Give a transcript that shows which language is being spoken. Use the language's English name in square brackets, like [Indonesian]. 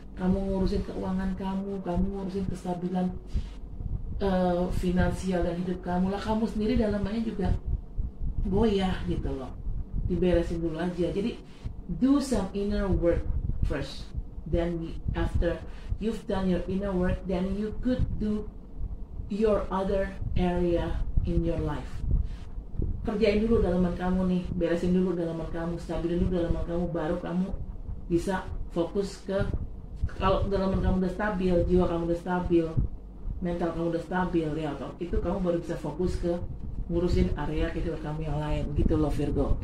[Indonesian] Kamu ngurusin keuangan kamu, kamu ngurusin kestabilan finansial dan hidup kamu lah, kamu sendiri dalamannya juga goyah, gitu loh. Diberesin dulu aja. [English] Jadi do some inner work first, then after you've done your inner work, then you could do your other area in your life. [Indonesian] Kerjain dulu dalaman kamu nih, beresin dulu dalaman kamu, stabilin dulu dalaman kamu, baru kamu bisa fokus ke, kalau dalaman kamu udah stabil, jiwa kamu udah stabil, mental kamu udah stabil, ya atau itu kamu baru bisa fokus ke ngurusin area kehidupan kamu yang lain, gitu loh Virgo, oke?